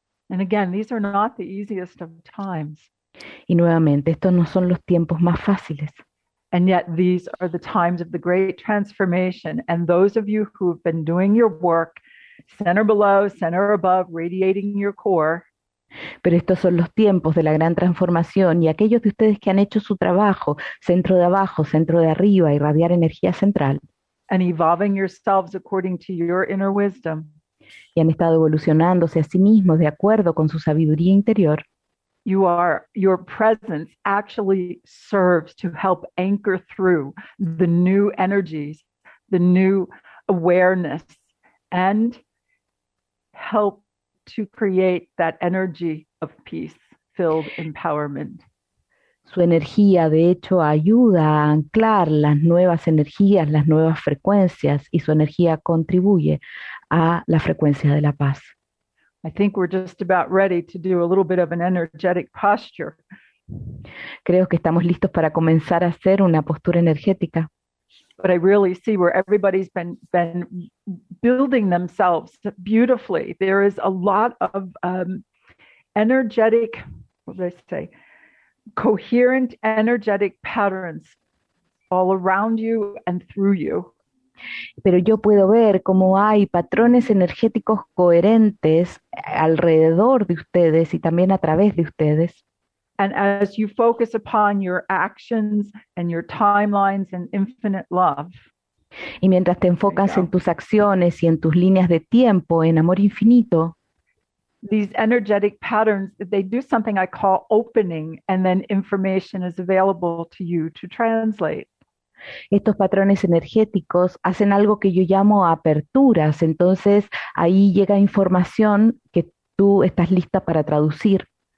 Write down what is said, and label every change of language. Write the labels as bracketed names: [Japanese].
[English] And again, these are not the easiest of times. [Spanish] Y nuevamente, estos no son los tiempos más fáciles. [English] And yet these are the times of the great transformation. And those of you who have been doing your work, center below, center above, radiating your core. [Spanish] Pero estos son los tiempos de la gran transformación y aquellos de ustedes que han hecho su trabajo, centro de abajo, centro de arriba, irradiar energía central. [English] And evolving yourselves according to your inner wisdom. [Spanish] Y han estado evolucionándose a sí mismos de acuerdo con su sabiduría interior. [English] Your presence actually serves to help anchor through the new energies, the new awareness, and help to create that energy of peace, filled empowerment. [Spanish] Su energía, de hecho, ayuda a anclar las nuevas energías, las nuevas frecuencias, y su energía contribuye a la frecuencia de la paz. [English] I think we're just about ready to do a little bit of an energetic posture. [Spanish] Creo que estamos listos para comenzar a hacer una postura energética. [English] But I really see where everybody's been building themselves beautifully. There is a lot of energetic, coherent energetic patterns all around you and through you. [Spanish] Pero yo puedo ver cómo hay patrones energéticos coherentes alrededor de ustedes y también a través de ustedes. [English] And as you focus upon your actions and your timelines and infinite love. [Spanish] Y mientras te enfocas en tus acciones y en tus líneas de tiempo, en amor infinito. [English] These energetic patterns, they do something I call opening, and then information is available to you to translate. [Spanish] Estos patrones energéticos hacen algo que yo llamo aperturas. Entonces, ahí llega información que tú estás lista para traducir.